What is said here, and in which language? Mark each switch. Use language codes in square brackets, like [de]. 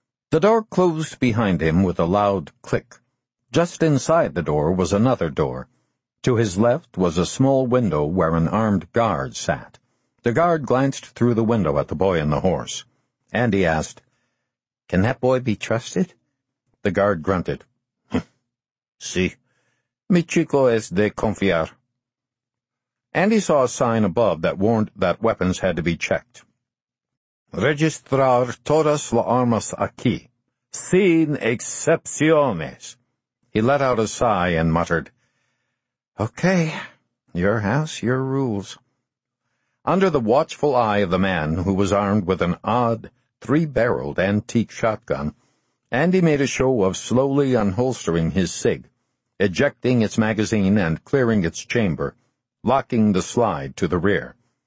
[en] The door closed behind him with a loud click. Just inside the door was another door. To his left was a small window where an armed guard sat. The guard glanced through the window at the boy and the horse. Andy asked, "Can that boy be trusted?" The guard grunted, [es] "Sí, mi chico es de confiar." [en] Andy saw a sign above that warned that weapons had to be checked. [es] "Registrar todas las armas aquí, sin excepciones." [en] He let out a sigh and muttered, "Okay, your house, your rules." Under the watchful eye of the man, who was armed with an odd, three-barreled antique shotgun, Andy made a show of slowly unholstering his SIG, ejecting its magazine and clearing its chamber, locking the slide to the rear.